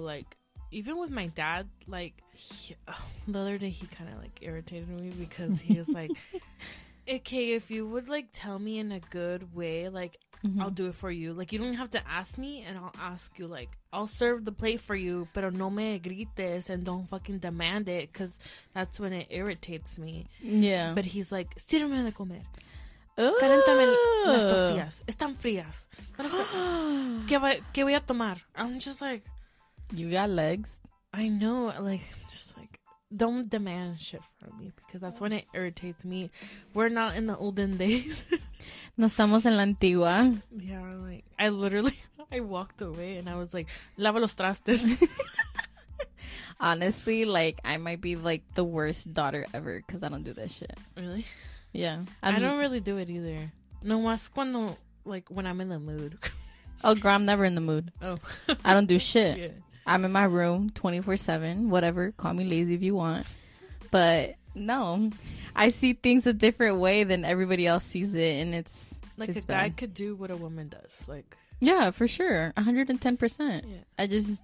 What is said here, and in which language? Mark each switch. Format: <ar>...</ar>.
<en>Like even with my dad, like the other day he kind of like irritated me because he was like, okay, if you would like tell me in a good way, like mm-hmm. I'll do it for you. Like you don't have to ask me, and I'll ask you. Like I'll serve the plate for you,</en> <es>pero no me grites</es> <en>and don't fucking demand it, because that's when it irritates me. Yeah. But he's like,</en> <es>sírveme de comer. Caléntame las tortillas. Están frías. ¿Qué voy a tomar?</es> <en>I'm just like, you got legs. I know. Like just like, don't demand shit from me, because that's when it irritates me. We're not in the olden days.</en> <es>No estamos en la antigua.</es> <en>Yeah, like, I walked away and I was like,</en> <es>lava los trastes.</es> <en>Honestly, like, I might be, like, the worst daughter ever because I don't do this shit. Really? Yeah. I don't really do it either.</en> <es>No más cuando,</es> <en>like, when I'm in the mood. Oh, girl, I'm never in the mood. Oh. I don't do shit. Yeah. I'm in my room 24/7, whatever. Call me lazy if you want. But, no. I see things a different way than everybody else sees it, and it's like, it's a guy bad. Could do what a woman does, like. Yeah, for sure. 110%. Yeah.</en>